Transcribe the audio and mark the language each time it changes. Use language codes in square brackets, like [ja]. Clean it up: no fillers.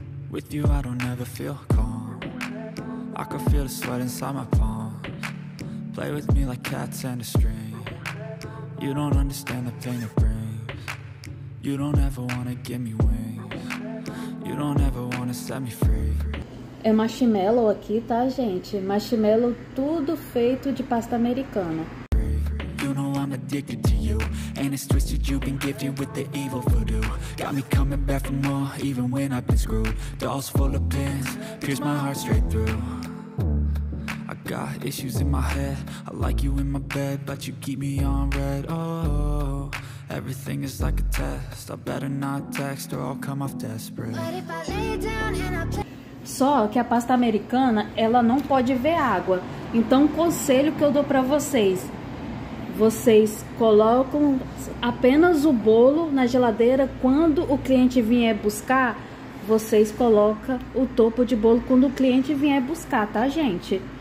[en] With you I don't ever feel calm. I can feel the sweat inside my palms. Play with me like cats and a string. You don't understand the pain it brings. You don't ever wanna give me wings. You don't ever wanna set me free. [pt] É marshmallow aqui, tá, gente? Marshmallow tudo feito de pasta americana. [en] You know I'm addicted to you. And it's twisted, you've been gifted with the evil voodoo. Got me coming back for more, even when I've been screwed. Dolls full of pins, pierce my heart straight through. I got issues in my head. I like you in my bed, but you keep me on red. Oh, everything is like a test. I better not text or I'll come off desperate. But if I lay down and I play. [pt] Só que a pasta americana, ela não pode ver água. Então, um conselho que eu dou pra vocês. Vocês colocam apenas o bolo na geladeira. Quando o cliente vier buscar, vocês colocam o topo de bolo quando o cliente vier buscar, tá, gente?